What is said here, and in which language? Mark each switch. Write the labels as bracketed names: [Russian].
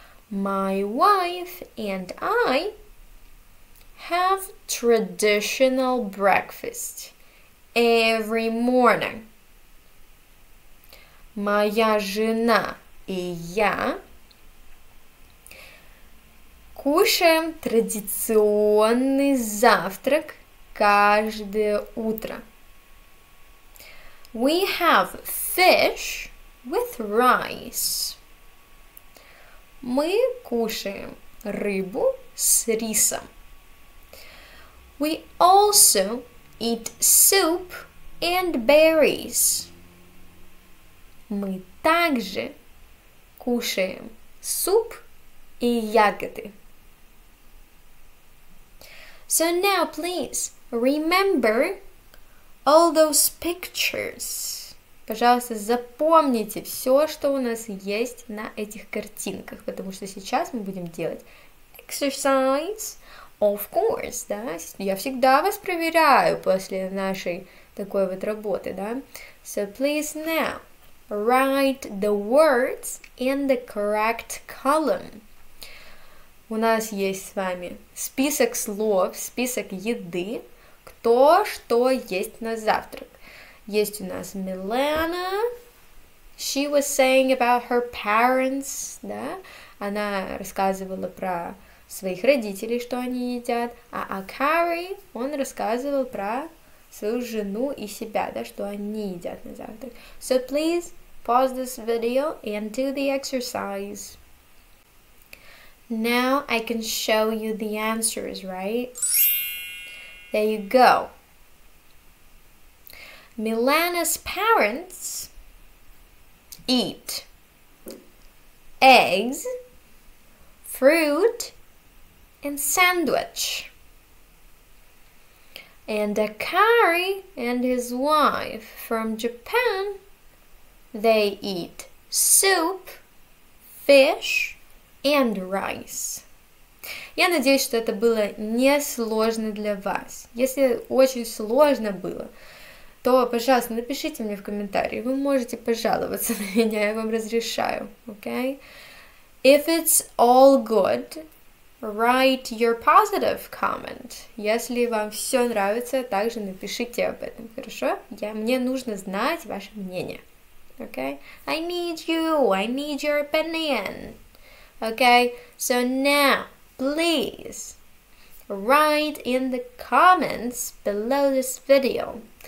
[English] My wife and I have traditional breakfast every morning. [Russian] Моя жена и я кушаем традиционный завтрак каждое утро. [English] We have fish with rice. [Russian] Мы кушаем рыбу с рисом. [English] We also eat soup and berries. [Russian] Мы также кушаем суп и ягоды. [English] So now, please, remember all those pictures. [Russian] Пожалуйста, запомните все, что у нас есть на этих картинках, потому что сейчас мы будем делать exercise. [English] Of course, [Russian] да, я всегда вас проверяю после нашей такой вот работы, да. [English] So please now, write the words in the correct column. [Russian] У нас есть с вами список слов, список еды, кто что есть на завтрак. Есть у нас Милена, [English] she was saying about her parents, [Russian] да, она рассказывала про своих родителей, что они едят, а Акари, он рассказывал про свою жену и себя, да, что они едят на завтрак. [English] So please pause this video and do the exercise. Now I can show you the answers, right? There you go. Milana's parents eat eggs, fruit, and sandwich. And Akari and his wife from Japan, they eat soup, fish, and rice. [Russian] Я надеюсь, что это было не сложно для вас. Если очень сложно было, то, пожалуйста, напишите мне в комментарии. Вы можете пожаловаться на меня, я вам разрешаю, okay? [English] If it's all good, write your positive comment. [Russian] Если вам все нравится, также напишите об этом, хорошо? Мне нужно знать ваше мнение, okay? [English] I need you, I need your opinion, okay? So now, please, write in the comments below this video.